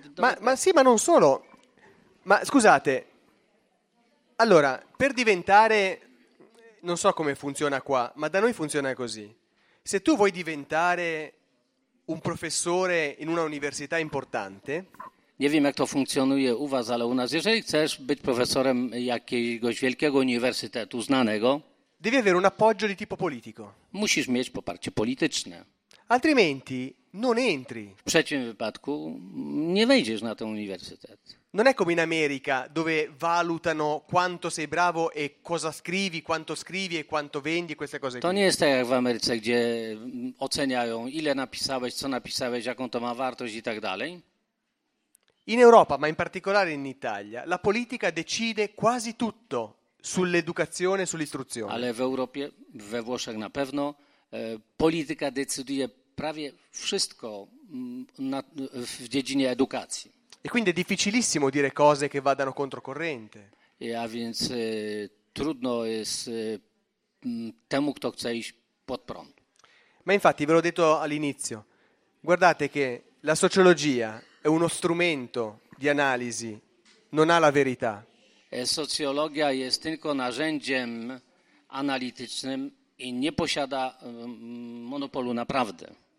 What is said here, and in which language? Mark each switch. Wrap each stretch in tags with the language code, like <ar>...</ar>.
<it>Ma sì, ma non solo. Ma scusate. Allora, per diventare, non so come funziona qua, ma da noi funziona così. Se tu vuoi diventare un professore in una università importante.</it> <pl>Nie wiem, jak to funkcjonuje u was, ale u nas, jeżeli chcesz być profesorem jakiegoś wielkiego uniwersytetu znanego,</pl> <it>devi avere un appoggio di tipo politico.</it> <pl>Musisz mieć poparcie polityczne.</pl> <it>Altrimenti non entri.</it> <pl>W przeciwnym wypadku nie wejdziesz na ten uniwersytet.</pl> <it>Non è come in America, dove valutano quanto sei bravo e cosa scrivi, quanto scrivi e quanto vendi, queste cose.</it> <pl>To nie jest tak jak w Ameryce, gdzie oceniają, ile napisałeś, co napisałeś, jaką to ma wartość i tak dalej.</pl> <it>In Europa, ma in particolare in Italia, la politica decide quasi tutto sull'educazione e sull'istruzione.</it> <pl>Ale w Europie, we Włoszech na pewno, polityka decyduje prawie wszystko w dziedzinie edukacji.</pl> <it>E quindi è difficilissimo dire cose che vadano controcorrente.</it> <pl>A więc trudno jest temu, kto chce iść pod prąd.</pl> <it>Ma infatti, ve l'ho detto all'inizio, guardate che la sociologia è uno strumento di analisi, non ha la verità.</it> <pl>Socjologia jest tylko narzędziem analitycznym i nie posiada monopolu na prawdę.</pl>